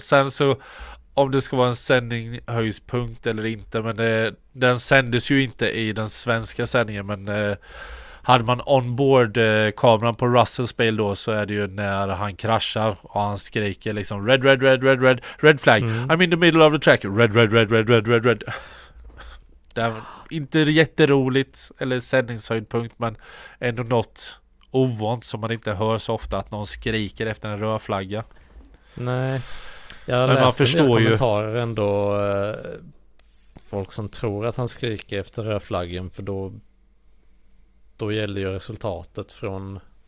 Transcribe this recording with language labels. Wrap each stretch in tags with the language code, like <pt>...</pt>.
<sv>Sen så, om det ska vara en sändning höjdpunkt eller inte, men den sändes ju inte i den svenska sändningen, men hade man onboard kameran på Russells bil då, så är det ju när han kraschar och han skriker liksom</sv> <en>red flag. I'm in the middle of the track, red.</en> <sv>Det är inte jätteroligt eller sändningshöjdpunkt, men ändå något ovant som man inte hör så ofta, att någon skriker efter en röd flagga. Nej. Jag har, men man förstår ju kommentarer ändå, folk som tror att han skriker efter röd flaggen, för då gäller ju resultatet från</sv>